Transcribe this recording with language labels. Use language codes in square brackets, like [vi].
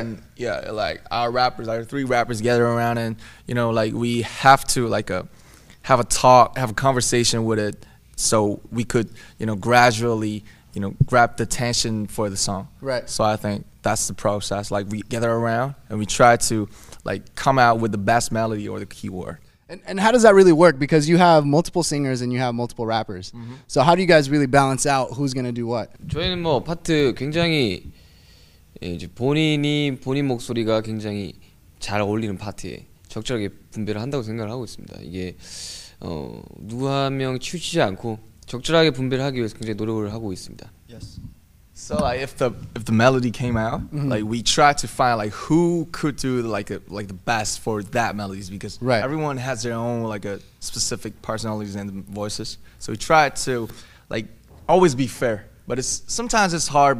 [en] And yeah, like our rappers, our three rappers gather around and, you know, like we have to like have a conversation with it so we could, you know, gradually, you know, grab the tension for the song. Right. So I think that's the process. Like we gather around and we try to like come out with the best melody or the keyword. And how does that really work? Because you have multiple singers and you have multiple rappers. Mm-hmm. So how do you guys really balance out who's going to do what? [ko] 저희는 뭐 파트 굉장히 이제 본인 목소리가 굉장히 잘 어울리는 파트에 적절하게 분배를 한다고 생각을 하고 있습니다. 이게 누구 한 명 치우치지 않고 적절하게 분배를 하기 위해서 굉장히 노력을 하고 있습니다. [en] Yes. So like if the melody came out, mm-hmm. like we tried to find like who could do like the best for that melodies because right. everyone has their own like a specific personalities and voices. So we tried to like always be fair, but sometimes it's hard.